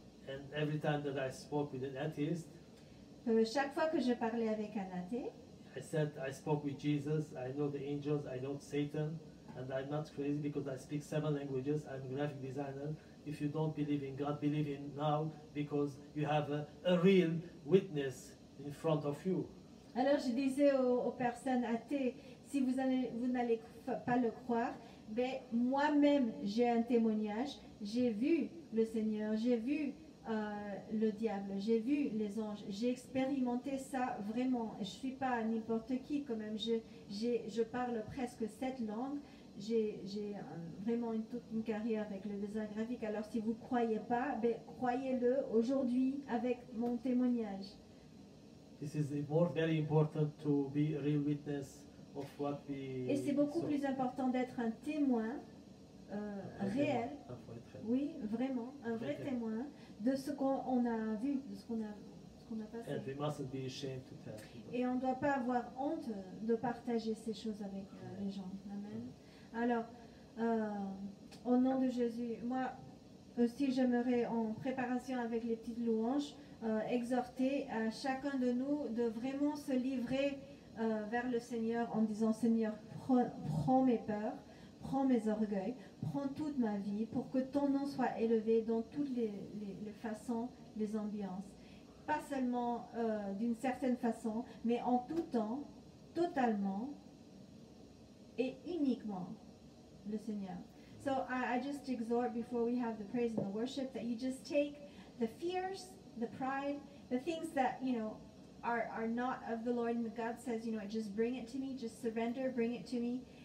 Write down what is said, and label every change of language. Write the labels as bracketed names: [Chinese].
[English] And every time that I spoke with an atheist, [French] chaque fois que je parlais avec un athée, [English] I said I spoke with Jesus. I know the angels. I know Satan, and I'm not crazy because I speak seven languages. I'm a graphic designer. If you don't believe in God, believe in now because you have a real witness in front of you. [French] Alors je disais aux personnes athées, si vous n'allez pas le croire, ben moi-même j'ai un témoignage. J'ai vu le Seigneur. J'ai vu le diable, j'ai vu les anges, j'ai expérimenté ça vraiment. Je suis pas n'importe qui quand même. Je parle presque sept langues. J'ai vraiment toute une carrière avec le design graphique. Alors si vous croyez pas, ben croyez-le aujourd'hui avec mon témoignage. [English] This is very important to be a real witness of what we. [French] Et c'est beaucoup plus important d'être un témoin réel. Oui, vraiment, un vrai témoin de ce qu'on a vu, de ce qu'on a passé. [English] And we mustn't be ashamed to tell people. [French] Et on ne doit pas avoir honte de partager ces choses avec les gens. Amen. Alors, au nom de Jésus, moi aussi j'aimerais, en préparation avec les petites louanges, exhorter à chacun de nous de vraiment se livrer vers le Seigneur en disant: Seigneur, prends mes peurs, prends mes orgueils, prends toute ma vie pour que ton nom soit élevé dans toutes les façons, les ambiances. Pas seulement d'une certaine façon, mais en tout temps, totalement et uniquement le Seigneur. [English] So I just exhort before we have the praise and the worship that you just take the fears, the pride, the things that, you know, are not of the Lord. And God says, you know, just bring it to me, just surrender, bring it to me.